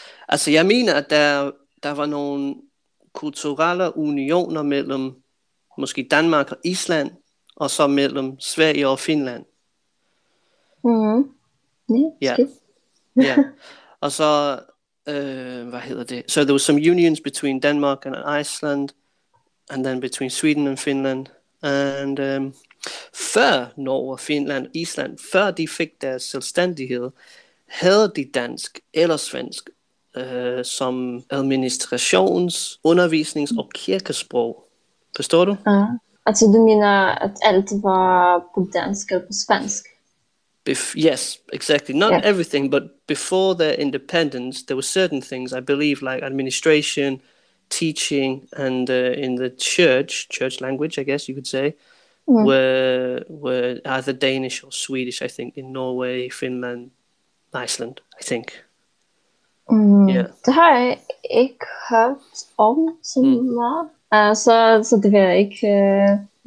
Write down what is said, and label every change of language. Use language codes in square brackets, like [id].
[da] Altså, jeg mener, at der var nogle kulturelle unioner mellem måske Danmark og Island, og så mellem Sverige og Finland. Mm-hmm. Ja, skidt. Yeah. Og så hvad hedder det? [en] So there were some unions between Denmark and Iceland, and then between Sweden and Finland. [da] And før Norge, Finland, Island, før de fik deres selvstændighed, havde de dansk eller svensk som administrations, undervisnings- og kirkesprog. Forstår du? Altså du mener, at alt var på dansk eller på svensk? [en] Yes, exactly. Not everything, but before their independence, there were certain things, I believe, like administration, teaching, and in the church language, I guess you could say, were either Danish or Swedish, I think, in Norway, Finland, Iceland, I think. [da] Det har jeg ikke hørt om så meget. Så det ved jeg ikke.